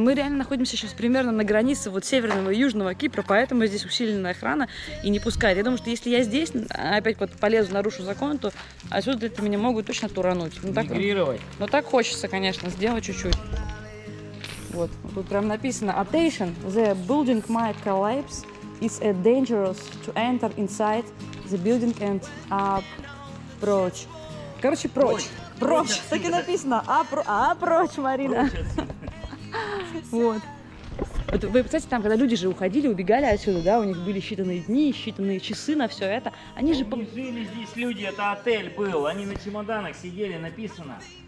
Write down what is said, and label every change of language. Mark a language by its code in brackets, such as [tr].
[ru] Мы реально находимся сейчас примерно на границе вот северного и южного Кипра, поэтому здесь усиленная охрана и не пускает. Я думаю, что если я здесь опять вот полезу, нарушу закон, то отсюда для меня могут точно турануть. Ну, так, мигрировать. Ну так хочется, конечно, сделать чуть-чуть. Вот. Тут прям написано: [en] Attention, the building might collapse. It's a dangerous to enter inside the building and approach. [ru] Короче, прочь. Прочь, так и написано. А прочь, Марина. Вот. Вот вы представляете, там, когда люди же уходили, убегали отсюда, да, у них были считанные дни, считанные часы на все это. Они же... Они жили здесь, люди, это отель был. Они на чемоданах сидели, написано.